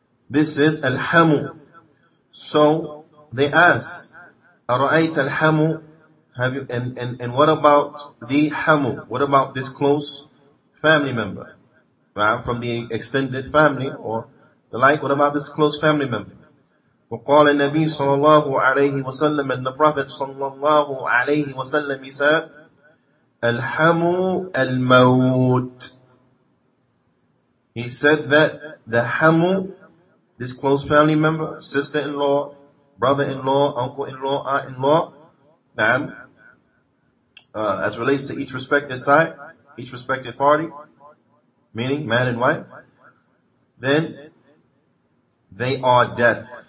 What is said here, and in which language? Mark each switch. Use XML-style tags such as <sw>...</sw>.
<en>This is al-hamu. So they ask,</en> <ar>"Ara'ayt al-hamu?"</ar> <en>Have you? And what about the hamu? What about this close family member, ma'am, from the extended family or the like? What about this close family member?</en> <ar>وقال النبي صلى الله عليه وسلم أن Prophet صلى الله عليه وسلم</ar> <en>said,</en> <ar>الحم الموت.</ar> <en>He said that the حم, this close family member, sister-in-law, brother-in-law, uncle-in-law, aunt-in-law, as relates to each respected side, each respected party, meaning man and wife, then they are death.</en>